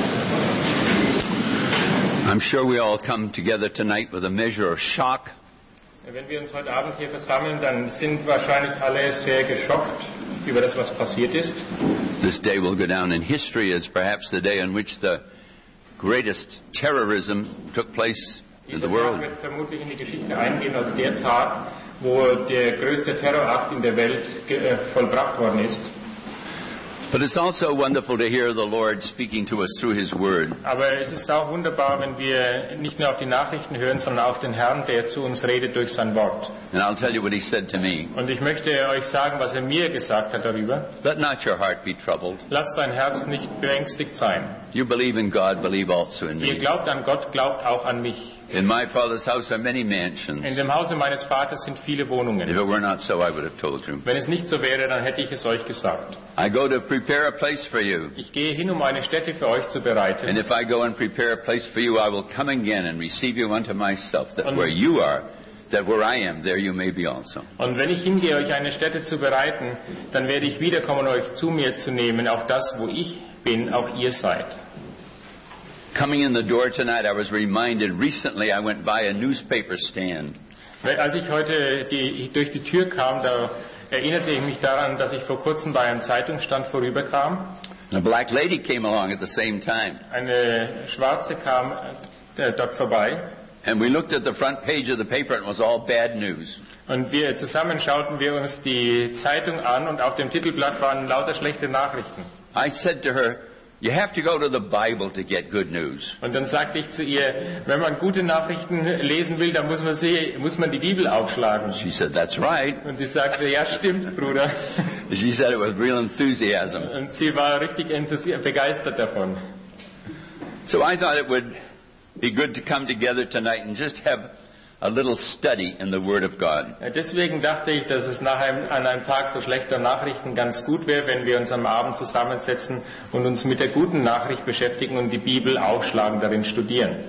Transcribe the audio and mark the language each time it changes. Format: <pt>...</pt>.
<en>I'm sure we all come together tonight with a measure of shock.</en> <de>Wenn wir uns heute Abend hier versammeln, dann sind wahrscheinlich alle sehr geschockt über das, was passiert ist.</de> <en>This day will go down in history as perhaps the day on which the greatest terrorism took place in the world.</en> <de>Dieser Tag wird vermutlich in die Geschichte eingehen als der Tag, wo der größte Terrorakt in der Welt vollbracht worden ist.</de> <en>But it's also wonderful to hear the Lord speaking to us through His Word.</en> <de>Aber es ist auch wunderbar, wenn wir nicht nur auf die Nachrichten hören, sondern auf den Herrn, der zu uns redet durch sein Wort.</de> <en>And I'll tell you what He said to me.</en> <de>Und ich möchte euch sagen, was er mir gesagt hat darüber.</de> <en>Let not your heart be troubled.</en> <de>Lasst dein Herz nicht beängstigt sein.</de> <en>You believe in God, believe also in me.</en> <de>Ihr glaubt an Gott, glaubt auch an mich.</de> <en>In my Father's house are many mansions.</en> <de>In dem Hause meines Vaters sind viele Wohnungen.</de> <en>If it were not so, I would have told you.</en> <de>Wenn es nicht so wäre, dann hätte ich es euch gesagt.</de> <en>I go to prepare a place for you.</en> <de>Ich gehe hin, um eine Stätte für euch zu bereiten.</de> <en>And if I go and prepare a place for you, I will come again and receive you unto myself, that where you are, that where I am, there you may be also.</en> <de>Und wenn ich hingehe, euch eine Stätte zu bereiten, dann werde ich wiederkommen, euch zu mir zu nehmen, auf das, wo ich bin, auch ihr seid.</de> <en>Coming in the door tonight, I was reminded recently I went by a newspaper stand.</en> <de>Als ich heute durch die Tür kam, da erinnerte ich mich daran, dass ich vor kurzem bei einem Zeitungsstand vorüberkam.</de> <en>And a black lady came along at the same time.</en> <de>Eine Schwarze kam dort vorbei.</de> <en>And we looked at the front page of the paper and it was all bad news.</en> <de>Und wir zusammen schauten wir uns die Zeitung an und auf dem Titelblatt waren lauter schlechte Nachrichten.</de> <en>I said to her, "You have to go to the Bible to get good news."</en> <de>Und dann sagte ich zu ihr, wenn man gute Nachrichten lesen will, dann muss man die Bibel aufschlagen.</de> <en>She said, "That's right."</en> <de>Und sie sagte, ja, stimmt, Bruder.</de> <en>She said it with real enthusiasm.</en> <de>Und sie war richtig begeistert davon.</de> <en>So I thought it would be good to come together tonight and just have a little study in the Word of God.</en> <de>Deswegen dachte ich, dass es nach einem Tag so schlechter Nachrichten ganz gut wäre, wenn wir uns am Abend zusammensetzen und uns mit der guten Nachricht beschäftigen und die Bibel aufschlagen, darin studieren.</de>